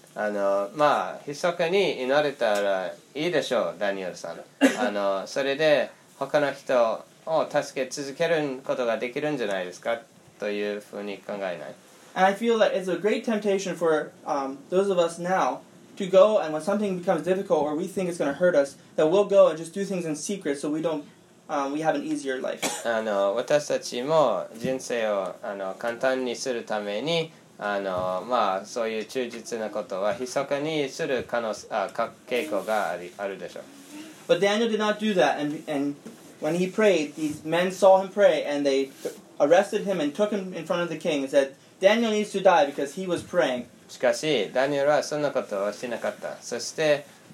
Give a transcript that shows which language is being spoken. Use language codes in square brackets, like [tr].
[ja] あのまあ密かに祈れたらいいでしょうダニエルさん。あのそれで他の人を助け続けることができるんじゃないですかというふうに考えない。 [en] And I feel that it's a great temptation for those of us now to go and when something becomes difficult or we think it's going to hurt us, that we'll go and just do things in secret so we have an easier life. [ja] あの私たちも人生をあの簡単にするためにあのまあそういう忠実なことは密かにする可能傾向がありあるでしょう。 [en] But Daniel did not do that, and when he prayed, these men saw him pray, and they arrested him and took him in front of the king and said, Daniel needs to die because he was praying. [ja] しかし、ダニエルはそんなことをしなかった。そして、